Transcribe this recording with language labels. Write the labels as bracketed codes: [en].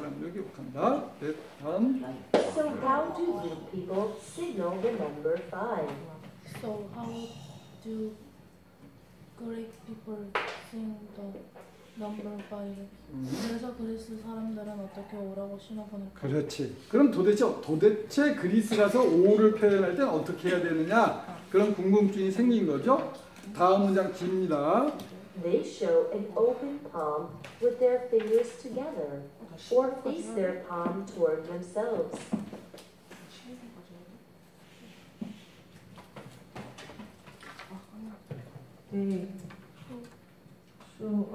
[en] So how do you people signal the number 5? So how do Greek people signal the number 5. [ko] 그래서 그리스 사람들은 어떻게 5라고 신호 보낼까? 그렇지. 그럼 도대체 그리스 가서 5를 표현할 때 어떻게 해야 되느냐? 그런 궁금증이 생긴 거죠. 다음 문장 기입니다. [en] They show an open palm with their fingers together or face their palm toward themselves. [ko] 네.